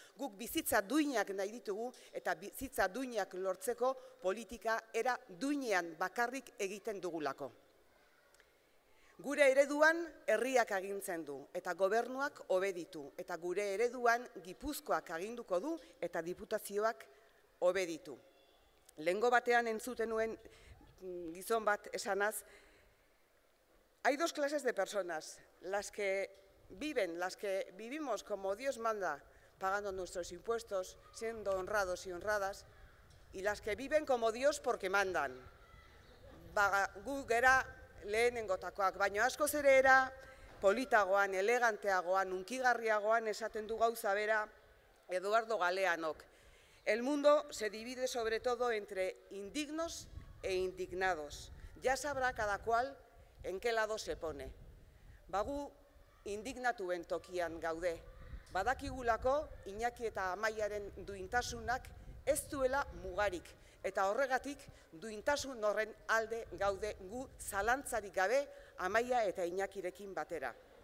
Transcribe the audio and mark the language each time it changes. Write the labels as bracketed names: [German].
[Basque] Guk bizitza duinak nahi ditugu eta bizitza duinak lortzeko politika era duinean bakarrik egiten dugulako. Gure ereduan herriak agintzen du eta gobernuak obeditu. Eta gure ereduan Gipuzkoak aginduko du eta diputazioak obeditu. Lehengo batean entzuten nuen gizon bat esanaz, [Spanish] hay dos clases de personas, las que viven, las que vivimos como Dios manda, pagando nuestros impuestos, siendo honrados y honradas, y las que viven como Dios porque mandan. [Basque] Gu gera lehenengotakoak, baina askoz ere era politagoan, eleganteagoan, hunkigarriagoan esaten du gauza bera Eduardo Galeanok. [Spanish] El mundo se divide sobre todo entre indignos e indignados. Ya sabrá cada cual en qué lado se pone. [Basque] Bagu indignatuen tokian gaude. Badakigulako Iñaki eta Amaiaren duintasunak ez duela mugarik. Eta horregatik duintasun horren alde gaude gu zalantzarik gabe Amaia eta Iñakirekin batera.